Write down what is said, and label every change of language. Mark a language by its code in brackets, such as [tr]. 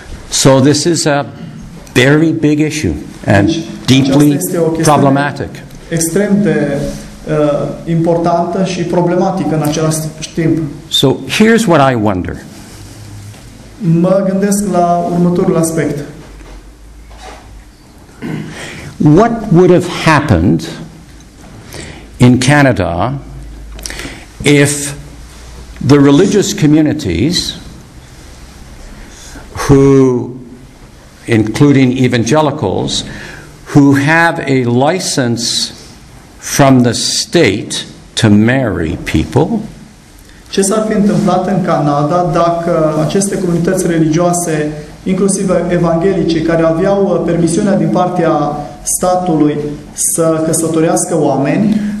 [en] So this is a very big issue and deeply problematic. [ro] Extrem de importantă și problematică în același timp. [en] So here's what I wonder. [ro] Mă gândesc la următorul aspect. [en] What would have happened in Canada if the religious communities, who, including evangelicals, who have a license from the state to marry people? [ro] Ce s-ar fi întâmplat în Canada dacă aceste comunități religioase, inclusiv evanghelice, care aveau permisiunea din partea statului să căsătorească oameni.